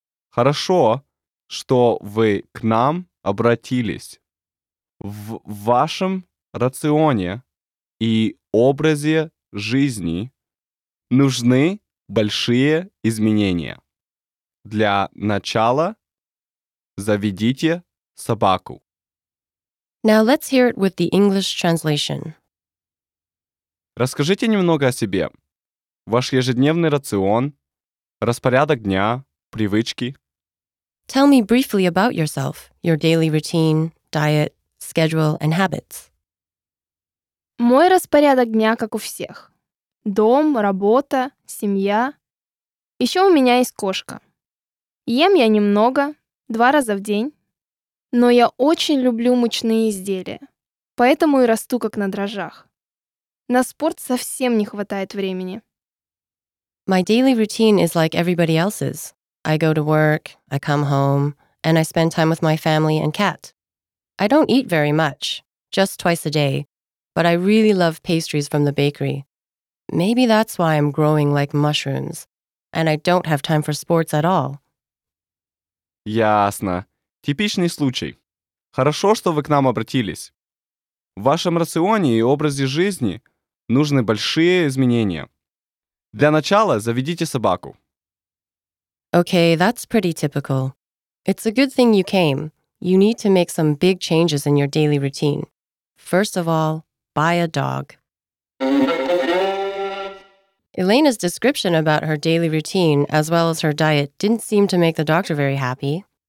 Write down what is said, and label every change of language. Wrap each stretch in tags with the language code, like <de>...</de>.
<ru>Хорошо, что вы к нам обратились. В вашем рационе и образе жизни нужны большие изменения. Для начала заведите собаку.</ru> <en>Now let's hear it with the English translation.</en> <ru>Расскажите немного о себе. Ваш ежедневный рацион, распорядок дня, привычки.</ru> <en>Tell me briefly about yourself, your daily routine, diet, schedule, and habits.</en> <ru>Мой распорядок дня, как у всех. Дом, работа, семья. Еще у меня есть кошка. Ем я немного, два раза в день. Но я очень люблю мучные изделия, поэтому и расту как на дрожжах. На спорт совсем не хватает времени.</ru> <en>My daily routine is like everybody else's. I go to work, I come home, and I spend time with my family and cat. I don't eat very much, just twice a day. But I really love pastries from the bakery. Maybe that's why I'm growing like mushrooms, and I don't have time for sports at all.</en> <ru>Ясно. Типичный случай. Хорошо, что вы к нам обратились. В вашем рационе и образе жизни нужны большие изменения. Для начала заведите собаку.</ru> <en>Okay, that's pretty typical. It's a good thing you came. You need to make some big changes in your daily routine. First of all, buy a dog. Elena's description about her daily routine as well as her diet didn't seem to make the doctor very happy.</en>